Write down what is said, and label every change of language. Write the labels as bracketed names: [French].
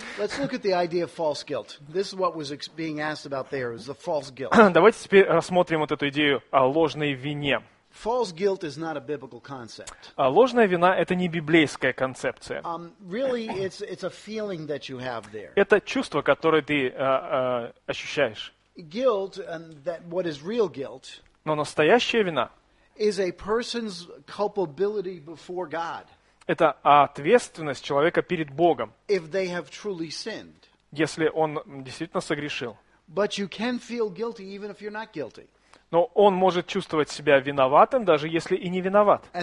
[English] Let's look at the idea of false guilt. This is what was being asked about there, is the false guilt. [Russian] Давайте теперь рассмотрим вот эту идею о ложной вине. [English] False guilt is not a biblical concept. [Russian] Ложная вина – это не библейская концепция. [English] Really, it's a feeling that you have there. [Russian] Это чувство, которое ты ощущаешь. [English] Guilt, and that what is real guilt, [Russian] но настоящая вина [English] – is a person's culpability before God. [Russian] Это ответственность человека перед Богом. [English] If they have truly sinned. [Russian] Если он действительно согрешил. [English] But you can feel guilty even if you're not guilty. [Russian] Но он может чувствовать себя виноватым, даже если и не виноват.